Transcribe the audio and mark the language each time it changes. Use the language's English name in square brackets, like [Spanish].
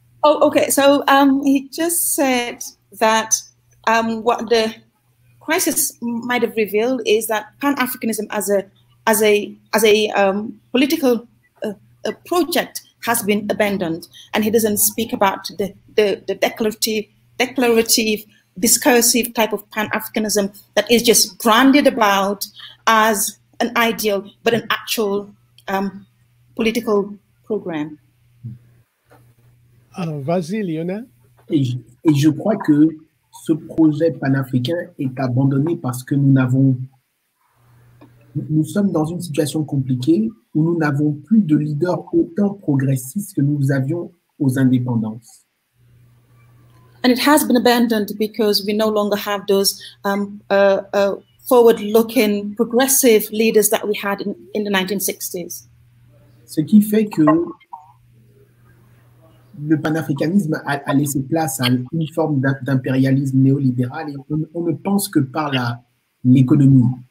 [English] Oh, okay, so he just said that what the crisis might have revealed is that Pan-Africanism as a political a project has been abandoned, and he doesn't speak about the declarative discursive type of Pan-Africanism that is just branded about as an ideal but an actual political program. [French] Alors, vas-y, Lionel. Et je crois que ce projet panafricain est abandonné parce que nous sommes dans une situation compliquée où nous n'avons plus de leaders autant progressistes que nous avions aux indépendances. [English] And it has been abandoned because we no longer have those forward-looking progressive leaders that we had in the 1960s. [French] Ce qui fait que le panafricanisme a laissé place à une forme d'impérialisme néolibéral et on ne pense que par l'économie.